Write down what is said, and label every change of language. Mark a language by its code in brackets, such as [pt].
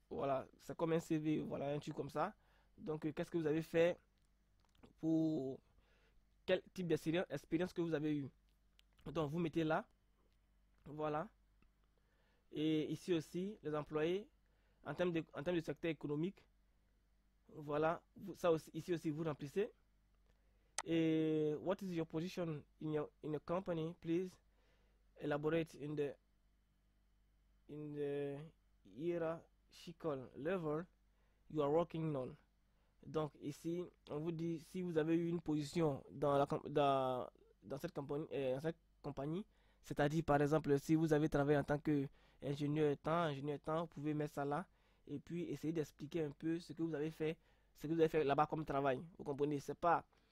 [fr] Voilà, c'est comme un CV, voilà, un truc comme ça. Donc, qu'est-ce que vous avez fait pour quel type d'expérience que vous avez eu? Donc, vous mettez là. Voilà. Et ici aussi, les employés, en termes de secteur économique, voilà, ça aussi, ici aussi, vous remplissez. [en] Et what is your position in your company, please? Elaborate in the hierarchical level you are working on. [fr] Donc ici, on vous dit si vous avez eu une position dans cette compagnie, c'est-à-dire par exemple si vous avez travaillé en tant que ingénieur temps, vous pouvez mettre ça là et puis essayer d'expliquer un peu ce que vous avez fait là-bas comme travail. Vous comprenez, c'est pas.